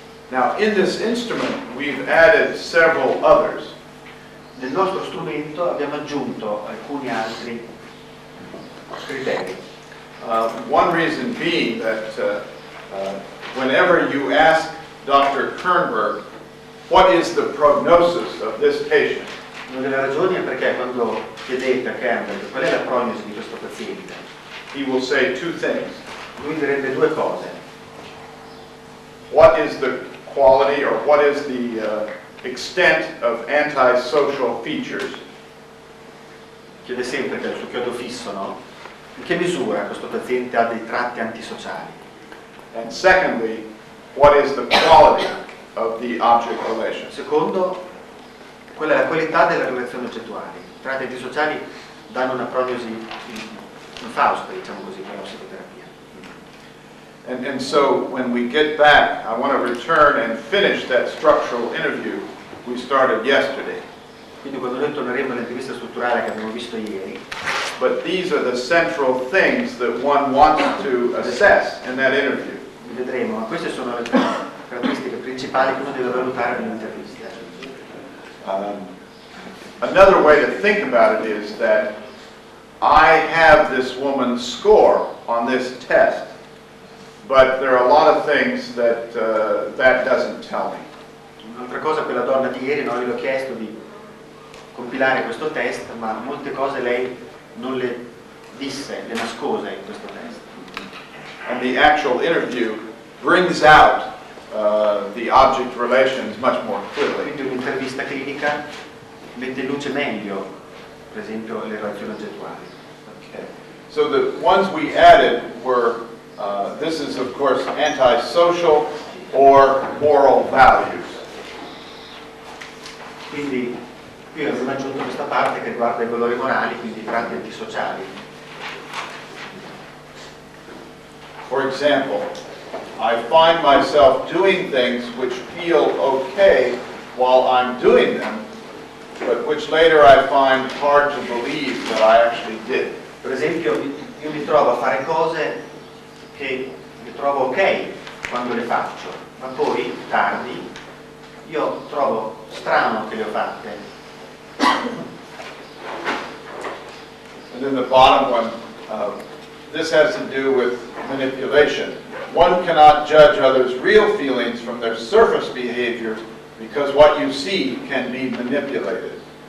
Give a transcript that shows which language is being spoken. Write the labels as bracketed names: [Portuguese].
[English] Now, in this instrument, we've added several others. [Italian] Nel nostro strumento abbiamo aggiunto alcuni altri criteri. [English] One reason being that whenever you ask Dr. Kernberg, what is the prognosis of this patient? [Italian] Una delle ragioni è perché quando chiedete a Kernberg qual è la prognosi di questo paziente, [English] he will say two things. [Italian] Lui direbbe due cose. [English] What is the quality or what is the extent of antisocial features? [Italian] Chiede sempre che è il suo chiodo fisso, no? In che misura questo paziente ha dei tratti antisociali? [English] And secondly, what is the quality of the object relation? [Italian] Secondo, qual è la qualità delle relazioni oggettuali? Tratti antisociali danno una prognosi infausta, diciamo così, per la psicoterapia. [English] And so when we get back, I want to return and finish that structural interview we started yesterday. [Italian] Quindi quando noi torneremo all'intervista strutturale che abbiamo visto ieri. [English] But these are the central things that one wants to assess in that interview. [Italian] Vedremo, ma queste sono le caratteristiche principali che uno deve valutare nell'intervista. [English] Another way to think about it is that I have this woman's score on this test, but there are a lot of things that that doesn't tell me. [Italian] Un'altra cosa, quella donna di ieri, no, gliel'ho chiesto di compilare questo test, ma molte cose lei non le disse, le nascose in questo test. [English] And the actual interview brings out the object relations much more clearly. [Italian] Quindi un'intervista clinica mette in luce meglio, per esempio, le relazioni oggettuali. [English] Okay. So the ones we added were, this is of course antisocial or moral values. [Italian] Quindi qui abbiamo aggiunto questa parte che riguarda i valori morali, quindi i tratti antisociali. [English] For example, I find myself doing things which feel okay while I'm doing them, but which later I find hard to believe that I actually did. [Italian] Per esempio, io mi trovo a fare cose che mi trovo okay quando le faccio, ma poi, tardi, io trovo strano che le ho fatte. [English] And then the bottom one, this has to do with manipulation. One cannot judge others' real feelings from their surface behavior because what you see can be manipulated.